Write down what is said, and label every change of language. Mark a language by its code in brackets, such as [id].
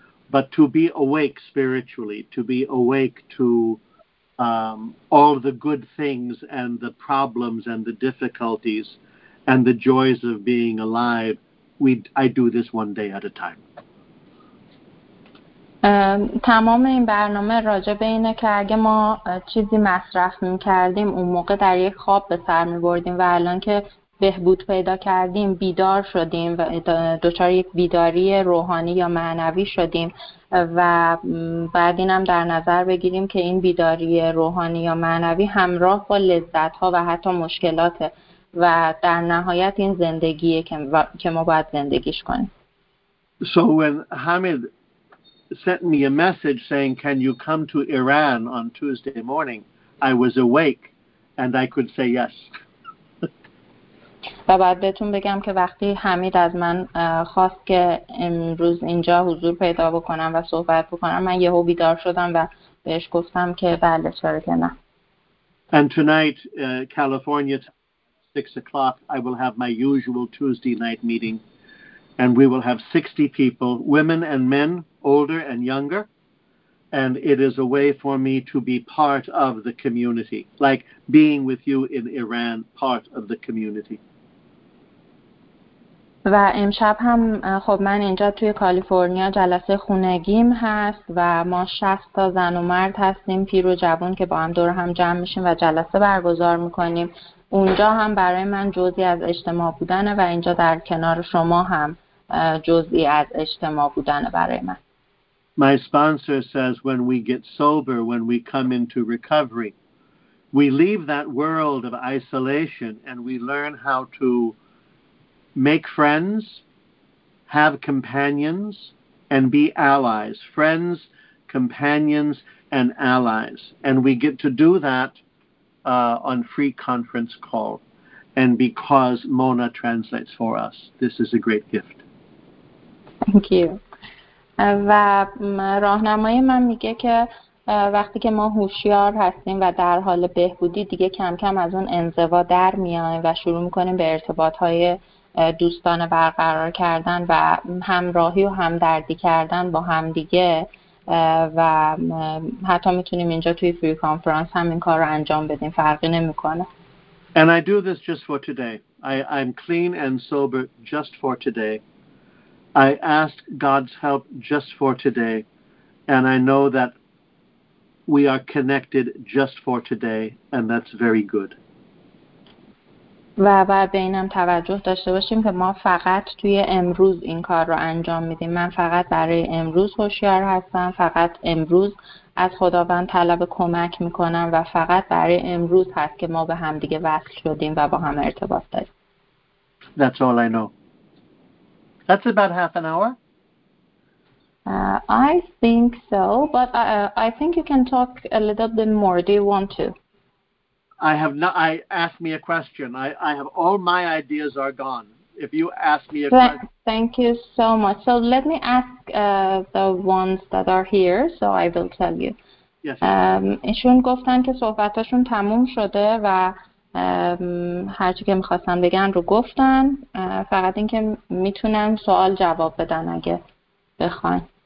[en] But to be awake spiritually, to be awake to all the good things and the problems and the difficulties and the joys of being alive, I do this one day at a time. [fa] تمام این برنامه راجع به اینه که اگه ما چیزی مصرف می‌کردیم اون موقع در یک خواب به سر می‌بردیم و الان که بهبود پیدا کردیم بیدار شدیم و دچار یک بیداری روحانی یا معنوی شدیم و بعد اینم در نظر بگیریم که این بیداری روحانی یا معنوی همراه با لذت‌ها و حتی مشکلاته و در نهایت این زندگیه که ما باید زندگیش کنیم. [en] So when Hamid sent me a message saying, can you come to Iran on Tuesday morning? I was awake and I could say yes. [fa] و بعد بهتون بگم که وقتی حمید از من خواست که امروز اینجا حضور پیدا بکنم و صحبت بکنم، من یهو بیدار شدم و بهش گفتم که بله، چرا که نه. [en] And tonight, California, 6:00, I will have my usual Tuesday night meeting. And we will have 60 people, women and men, older and younger. And it is a way for me to be part of the community, like being with you in Iran, part of the community. [fa] و امشب هم خب من اینجا توی کالیفرنیا جلسه خونگیم هست و ما 60 تا زن و مرد هستیم، پیر و جوان، که با هم دور هم جمع میشیم و جلسه برگزار میکنیم. اونجا هم برای من جزی از اجتماع بودنه و اینجا در کنار شما هم جزئی از اجتماع بودن برای من. [en] My sponsor says when we get sober, when we come into recovery, we leave that world of isolation and we learn how to make friends, have companions, and be allies. Friends, companions, and allies. And we get to do that on free conference call. And because Mona translates for us, this is a great gift. Thank you. [fa] و راهنمای من میگه که وقتی که ما هوشیار هستیم و در حال بهبودی، دیگه کم کم از اون انزوا در میایم و شروع میکنیم به ارتباطهای دوستانه برقرار کردن و همراهی و همدردی کردن با هم دیگه، و حتی میتونیم اینجا توی فری کانفرانس هم این کار رو انجام بدیم، فرقی نمیکنه. [en] And I do this just for today. I'm clean and sober just for today. I ask God's help just for today, and I know that we are connected just for today, and that's very good. [fa] و بعد به اینم توجه داشته باشیم که ما فقط توی امروز این کار رو انجام میدیم. من فقط برای امروز هوشیار هستم، فقط امروز از خداوند طلب کمک میکنم و فقط برای امروز هست که ما به هم دیگه وصل شدیم و با هم ارتباط داریم. [en] That's all I know. That's about half an hour. I think so, but I think you can talk a little bit more. Do you want to? I have not. I asked me a question. I have all my ideas are gone. If you ask me a question. Thank you so much. So let me ask the ones that are here, so I will tell you. Yes. [fa] ایشون گفتن که صحبتاشون تموم شده و هر چی که می‌خواستن بگن رو گفتن، فقط این که میتونن سوال جواب بدن اگه بخواین.